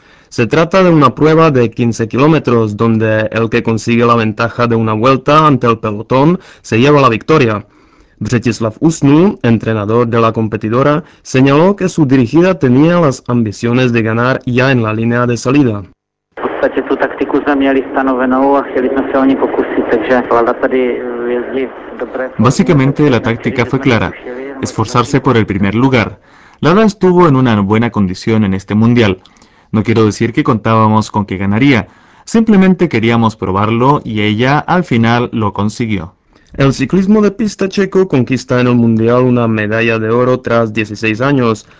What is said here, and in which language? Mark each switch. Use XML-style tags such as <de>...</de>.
<es>Se trata de una prueba de 15 kilómetros, donde el que consigue la ventaja de una vuelta ante el pelotón se lleva la victoria. Břetislav Usnul, entrenador de la competidora, señaló que su dirigida tenía las ambiciones de ganar ya en la línea de salida.</es> <cs>V podstatě tu taktiku jsme měli stanovenou a chtěli jsme se o ní pokusit, takže Lada tady jezdí dobré.</cs> <es>Básicamente la táctica fue clara: esforzarse por el primer lugar. Lada estuvo en una buena condición en este mundial. No quiero decir que contábamos con que ganaría, simplemente queríamos probarlo y ella al final lo consiguió. El ciclismo de pista checo conquista en el Mundial una medalla de oro tras 16 años.</es>